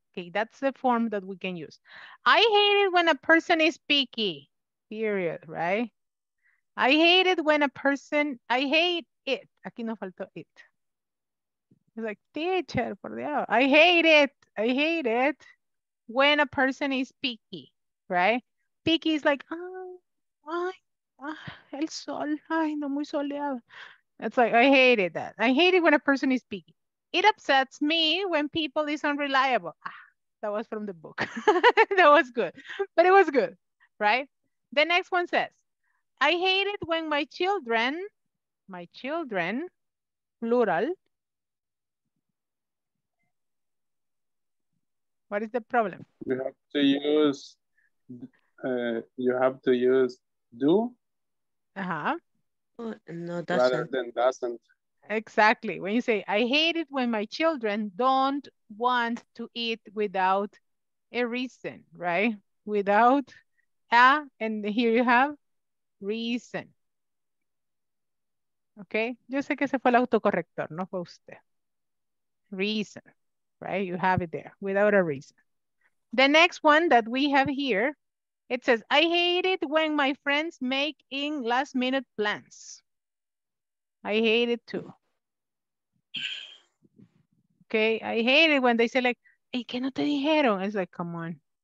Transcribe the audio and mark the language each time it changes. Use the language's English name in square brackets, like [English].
[English] Okay, that's the form that we can use. I hate it when a person is picky. Period, right? I hate it. [Spanish] Aquí no faltó [English] it. It's like, teacher, [Spanish] por Dios. [English] I hate it. when a person is picky, right? Picky is like, oh, ay, ah, [Spanish] el sol, ay, no muy soleado. [English] It's like, I hated that. I hate it when a person is picky. It upsets me when people is unreliable. Ah, that was from the book. That was good, but it was good, right? The next one says, I hate it when my children, plural. What is the problem? You have to use, do. Uh-huh. No, doesn't. Rather than doesn't. Exactly. When you say, I hate it when my children don't want to eat without a reason, right? Without a, and here you have reason. Okay? [Spanish] Yo sé que ese fue el autocorrector, no fue usted. [English] Reason, right? You have it there, without a reason. The next one that we have here, it says, I hate it when my friends make in last minute plans. I hate it too. Okay, I hate it when they say like, [Spanish] ¿y qué no te dijeron? [English] It's like, come on.